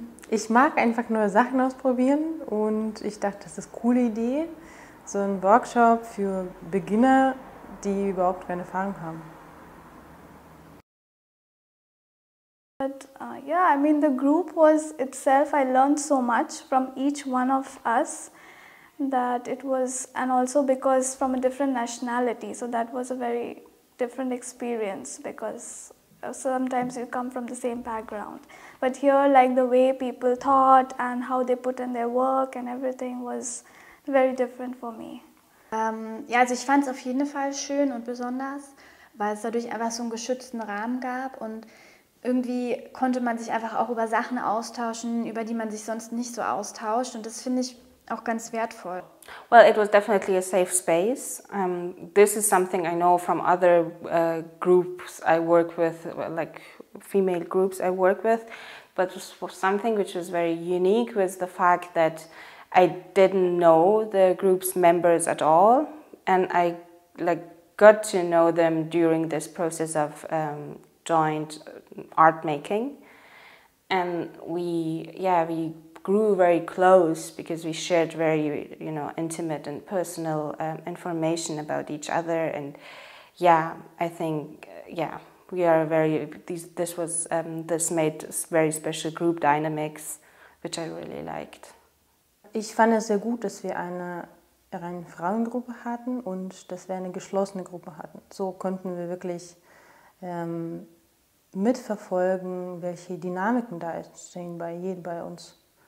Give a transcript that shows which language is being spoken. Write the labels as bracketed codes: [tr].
[de] Ich mag einfach nur Sachen ausprobieren, und ich dachte, das ist eine coole Idee, so ein Workshop für Beginner, die überhaupt keine Erfahrung haben. [en] But I mean, the group was itself, I learned so much from each one of us, that it was, and also because from a different nationality, so that was a very different experience, because sometimes you come from the same background, but here, like, the way people thought and how they put in their work and everything was very different for me. [de] Also ich fand es auf jeden Fall schön und besonders, weil es dadurch einfach so einen geschützten Rahmen gab, und irgendwie konnte man sich einfach auch über Sachen austauschen, über die man sich sonst nicht so austauscht, und das finde ich auch ganz wertvoll. [en] Well, it was definitely a safe space. This is something I know from other groups I work with, like female groups I work with, but something which was very unique was the fact that I didn't know the group's members at all, and I like got to know them during this process of joint art making, and we grew very close because we shared very, you know, intimate and personal information about each other. And I think we are very, these, this was, this made very special group dynamics, which I really liked. [de] Ich fand es sehr gut, dass wir eine rein Frauengruppe hatten und dass wir eine geschlossene Gruppe hatten. So konnten wir wirklich mitverfolgen, welche Dynamiken da entstehen bei jedem bei uns.